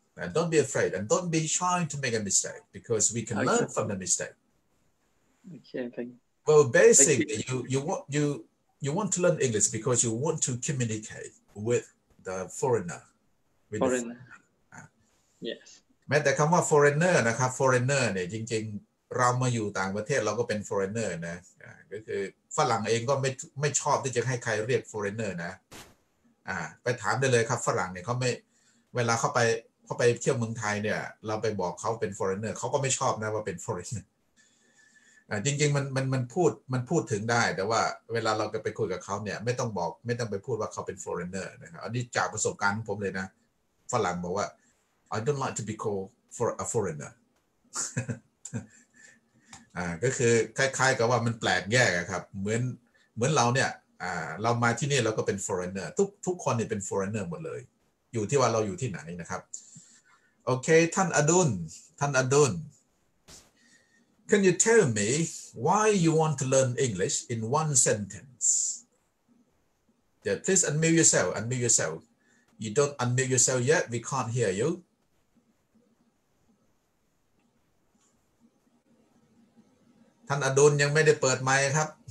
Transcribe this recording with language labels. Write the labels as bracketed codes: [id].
[en] And don't be afraid, and don't be shy to make a mistake, because we can learn from the mistake. Okay, thank you. Well, basically, you want to learn English because you want to communicate with the foreigner. Foreigner. [th] แม้แต่คำว่า foreigner นะครับ foreigner เนี่ยจริงๆเรามาอยู่ต่างประเทศเราก็เป็น foreigner นะก็คือฝรั่งเองก็ไม่ชอบที่จะให้ใครเรียก foreigner นะไปถามได้เลยครับฝรั่งเนี่ยเขาไม่เวลาเขาไปเที่ยวเมืองไทยเนี่ยเราไปบอกเขาเป็น foreigner เขาก็ไม่ชอบนะว่าเป็น foreigner จริงๆมันพูดถึงได้แต่ว่าเวลาเราจะไปคุยกับเขาเนี่ยไม่ต้องไปพูดว่าเขาเป็น foreigner นะครับอันนี้จากประสบการณ์ผมเลยนะฝรั่งบอกว่า [en] I don't like to be called for a foreigner [th] ก็คือคล้ายๆกับว่ามันแปลกแยกครับเหมือนเราเนี่ยเรามาที่นี่เราก็เป็น foreigner ทุกคนเนี่ยเป็น foreigner หมดเลยอยู่ที่ว่าเราอยู่ที่ไหนนะครับโอเคท่านอดุล [en] Can you tell me why you want to learn English in one sentence? Yeah, please unmute yourself. You don't unmute yourself yet, we can't hear you. [th] ท่านอดุลยังไม่ได้เปิดไมค์ครับ